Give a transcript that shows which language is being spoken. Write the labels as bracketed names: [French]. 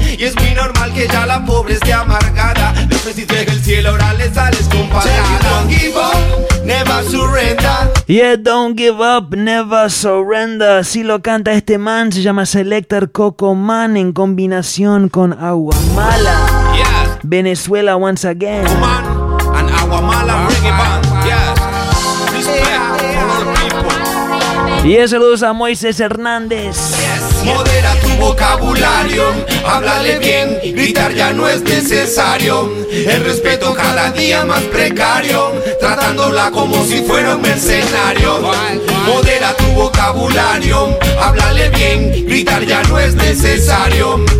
[Spanish] Y es muy normal que ya la pobre esté amargada. Después si llega el cielo ahora le sales con patada. [English] Never surrender. Yeah, don't give up, never surrender. [Spanish] Así lo canta este man, se llama Selector Coco Man en combinación con Aguamala. [English] Yes. Venezuela once again. Coco Man and Aguamala, bring it back. Yes. Respect for all the people. [Spanish] Y saludos a Moisés Hernández. Modera tu vocabulario, háblale bien, gritar ya no es necesario. El respeto cada día más precario, tratándola como si fuera un mercenario. Modera tu vocabulario, háblale bien, gritar ya no es necesario.